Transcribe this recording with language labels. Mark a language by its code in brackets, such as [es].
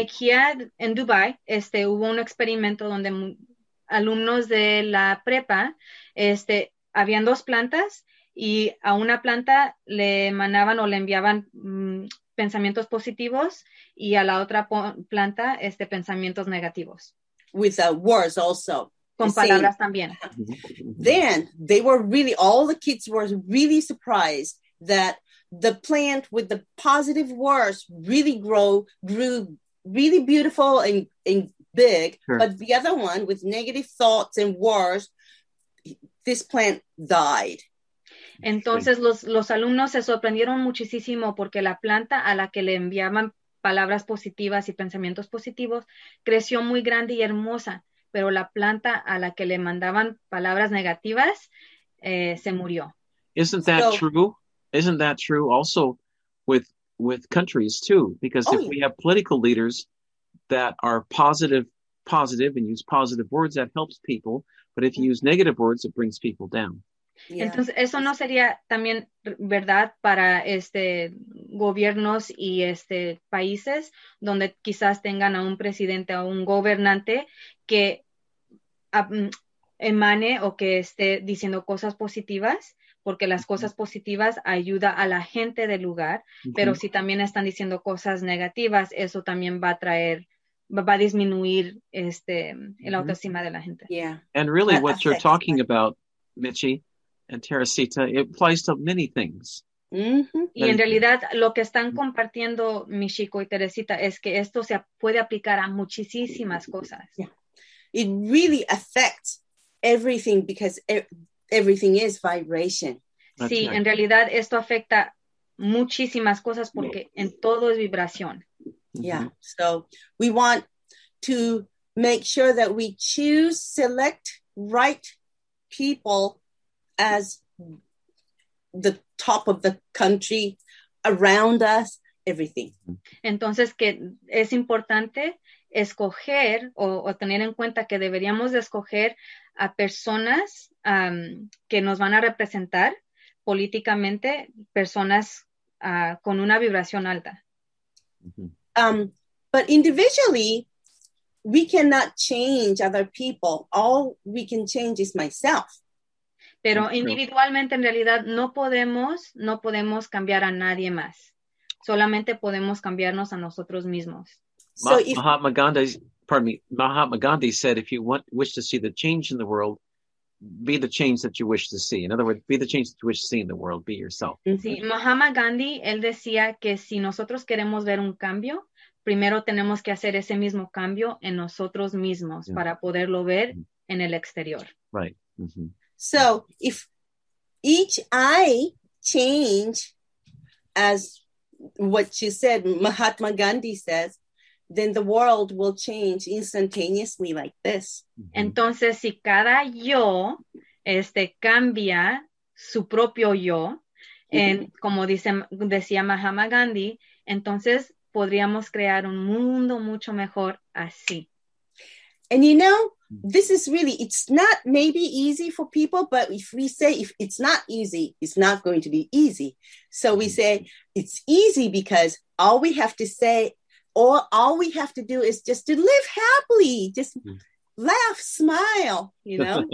[es] IKEA en Dubai, este, hubo un experimento donde alumnos de la prepa, este, habían dos plantas y a una planta le emanaban o le enviaban pensamientos positivos y a la otra planta pensamientos negativos. [en] With words also. [es] Con palabras same. También. [en] Then they were really, all the kids were really surprised that the plant with the positive words really grew really beautiful and big, sure. But the other one with negative thoughts and words, this plant died. [es] Entonces los alumnos se sorprendieron muchísimo porque la planta a la que le enviaban palabras positivas y pensamientos positivos creció muy grande y hermosa, pero la planta a la que le mandaban palabras negativas se murió. [en] Isn't that true? Isn't that true also with countries too? Because if we have political leaders that are positive and use positive words, that helps people. But if you use negative words, it brings people down. Yeah. [es] Entonces, eso no sería también verdad para gobiernos y países donde quizás tengan a un presidente o un gobernante que emane o que esté diciendo cosas positivas, porque las cosas positivas ayuda a la gente del lugar, pero si también están diciendo cosas negativas, eso también va a traer, va a disminuir la autoestima de la gente. [en] Yeah. And really that what affects, you're talking about, Michi and Teresita, it applies to many things. [es] Y en realidad lo que están compartiendo Michiko y Teresita es que esto se puede aplicar a muchísimas cosas. [en] Yeah. It really affects everything because everything is vibration. That's sí, right. [es] En realidad esto afecta muchísimas cosas porque en todo es vibración. [en] Yeah, so we want to make sure that we choose, select right people as the top of the country, around us, everything. [es] Entonces, que es importante escoger o tener en cuenta que deberíamos de escoger a personas que nos van a representar políticamente, personas con una vibración alta. [en] Mm-hmm. But individually, we cannot change other people. All we can change is myself. [es] Pero individualmente, en realidad, no podemos cambiar a nadie más. Solamente podemos cambiarnos a nosotros mismos. [en] Mahatma Gandhi said, if you wish to see the change in the world, be the change that you wish to see. In other words, be the change that you wish to see in the world. Be yourself. [es] Sí, Mahatma Gandhi, él decía que si nosotros queremos ver un cambio, primero tenemos que hacer ese mismo cambio en nosotros mismos para poderlo ver en el exterior. [en] Right. Mm-hmm. So if each I change, as what you said, Mahatma Gandhi says, then the world will change instantaneously like this. [es] Entonces, si cada yo cambia su propio yo, como decía Mahatma Gandhi, entonces podríamos crear un mundo mucho mejor así. [en] And you know, this is really, it's not maybe easy for people, but if we say if it's not easy, it's not going to be easy. So we say it's easy because all we have to say, or all we have to do is just to live happily, just laugh, smile, you know,